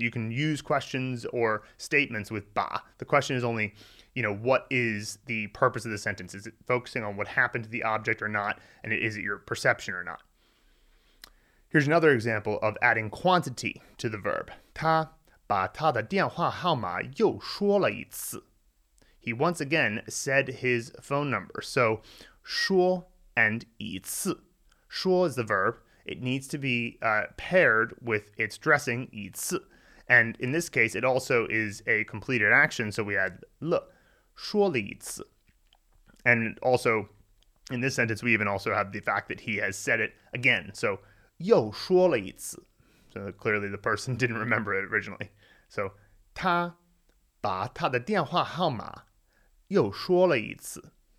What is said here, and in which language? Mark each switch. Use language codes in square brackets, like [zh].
[en] You can use questions or statements with ba. The question is only, you know, what is the purpose of the sentence? Is it focusing on what happened to the object or not? And is it your perception or not? Here's another example of adding quantity to the verb. [zh] 他把他的电话号码又说了一次. [en] He once again said his phone number. So, 说 and 一次.说 is the verb. It needs to be paired with its dressing, 一次. And in this case, it also is a completed action. So we add 了, 说了一次. And also, in this sentence, we even also have the fact that he has said it again. [zh] So, 又说了一次. [en] So clearly the person didn't remember it originally. [zh] So, 他把他的电话号码 又说了一次.